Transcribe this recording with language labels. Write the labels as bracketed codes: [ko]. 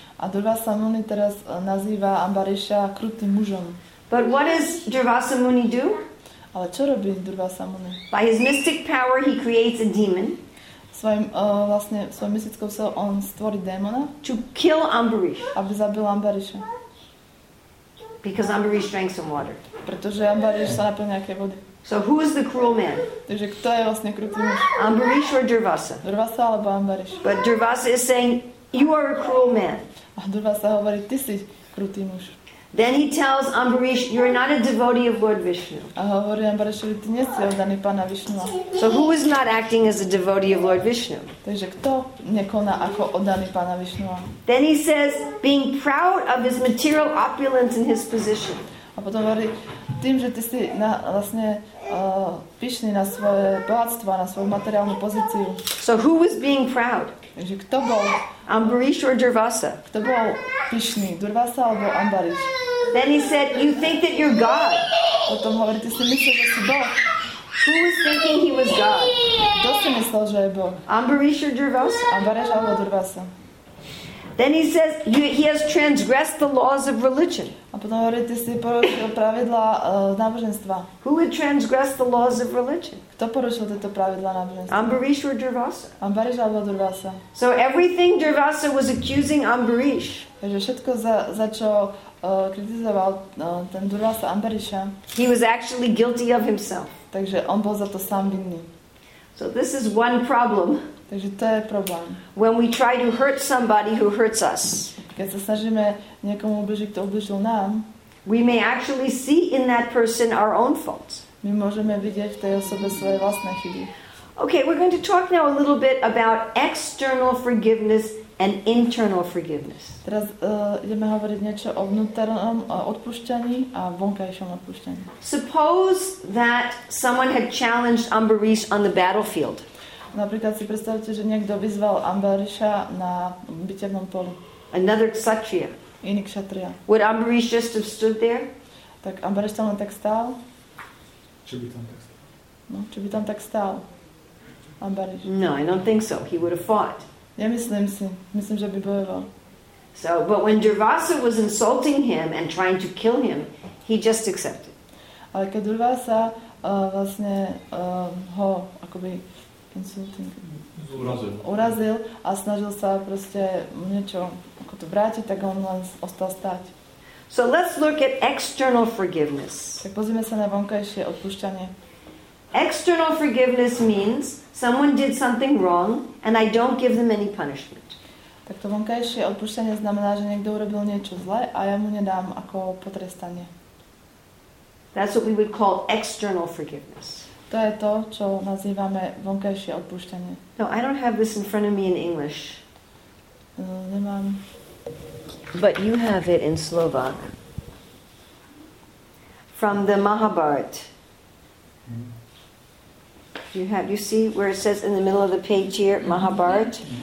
[sk] A Durvasa Muni teraz nazýva Ambarisha krutým mužom. [en] But what does Durvasa Muni do? [sk] Ale čo robí Durvasa Muni? [en] By his mystic power he creates a demon. [sk] Svojou mystickou silou on stvorí démona. [en] To kill Ambarish. [sk] Aby zabil Ambarisha. [en] Because Ambarish drank some water. [sk] Pretože Ambarish sa napil nejaké vody. [en] So who is the cruel man? [sk] Takže kto je vlastne krutý muž? [en] Ambarish or Durvasa? [sk] Durvasa alebo Ambarish. [en] But Durvasa is saying, you are a cruel man. [sk] A Durvasa hovorí, ty si krutý muž. [en] Then he tells Ambarish, you're not a devotee of Lord Vishnu. [sk] A hovorí Ambarishovi, ty nie si oddaný pána Vishnua. [en] So who is not acting as a devotee of Lord Vishnu? [sk] Takže kto nekoná ako oddaný pána Vishnua? [en] Then he says, being proud of his material opulence and his position. [sk] A potom hovorí, tým, že ty si na, vlastne pyšný na svoje bohatstvo, na svoju materiálnu pozíciu. [en] So who is being proud? [sk] Takže kto bol? [en] Ambarish or Durvasa? [sk] Kto bol pyšný? Durvasa alebo Ambarish? [en] Then he said, you think that you're God. [sk] Potom hovorí, ty si myslel, že si Boh. [en] Who is thinking he was God? [sk] Kto si myslel, že je Boh? [en] Ambarish or Durvasa? [sk] Ambarish alebo Durvasa? [en] Then he says he has transgressed the laws of religion. [sk] A potom hovorí, ty si porušil pravidlá náboženstva. [en] Who had transgressed the laws of religion? [sk] Kto porušil tieto pravidlá náboženstva? [en] Ambarish or Durvasa? [sk] Ambarish alebo Durvasa? [en] So everything Durvasa was accusing Ambarish. [sk] Takže všetko za čo kritizoval ten Durvasa Ambarisha. [en] He was actually guilty of himself. [sk] Takže on bol za to sám vinný. [en] So this is one problem. [sk] Takže to je problém. [en] When we try to hurt somebody who hurts us. [sk] Keď sa snažíme niekomu ublížiť, kto ublížil nám. [en] We may actually see in that person our own faults. [sk] My môžeme vidieť v tej osobe svoje vlastné chyby. [en] Okay, we're going to talk now a little bit about external forgiveness and internal forgiveness. [sk] Teraz ideme hovoriť niečo o vnútornom odpúšťaní a vonkajšom odpúšťaní. [en] Suppose that someone had challenged Ambarish on the battlefield. [sk] Napríklad si predstavte, že niekto vyzval Ambarisha na bitevnom poli. [en] Another kshatriya. [sk] Iný kshatriya. [en] Would Ambarish just have stood there? [sk] Tak Ambarish tam len tak stál? Čo by tam tak stál? No, čo by tam tak stál? Ambarish. [en] No, I don't think so. He would have fought. [sk] Nemyslím si. Myslím, že by bojoval. [en] So, but when Durvasa was insulting him and trying to kill him, he just accepted. [sk] Ale keď Durvasa vlastne ho akoby [en] insulting. [sk] Urazil a snažil sa proste niečo ako to vrátiť, tak on len ostal stať. [en] So let's look at external forgiveness. [sk] Tak pozrime sa na vonkajšie odpúšťanie. [en] External forgiveness means someone did something wrong and I don't give them any punishment. [sk] Tak to vonkajšie odpúšťanie znamená, že niekto urobil niečo zle a ja mu nedám ako potrestanie. [en] That's what we would call external forgiveness. [sk] To je to, čo nazývame vonkajšie odpúšťanie. [en] No, I don't have this in front of me in English. [sk] Nemám. [en] But you have it in Slovak. From the Mahabharat. You see where it says in the middle of the page here, Mahabharat?